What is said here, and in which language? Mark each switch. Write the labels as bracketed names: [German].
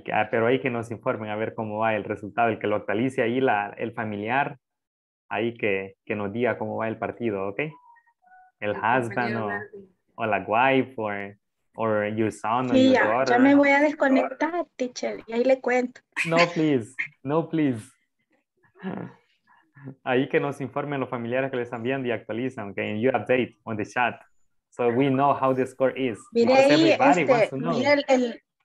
[Spanish] Pero hay que nos informen a ver cómo va el resultado, el que lo actualice ahí la, el familiar, ahí que nos diga cómo va el partido, ¿ok? El [English] husband [Spanish] o la [English] wife or your son. [Spanish] Sí, ya, ya me voy a desconectar, teacher, y ahí le cuento. [English] No, please, no, please. [Spanish] Ahí que nos informen los familiares que les envían y actualizan, ¿ok? [English] And you update on the chat so we know how the score is. [Spanish] Mire ahí, mire el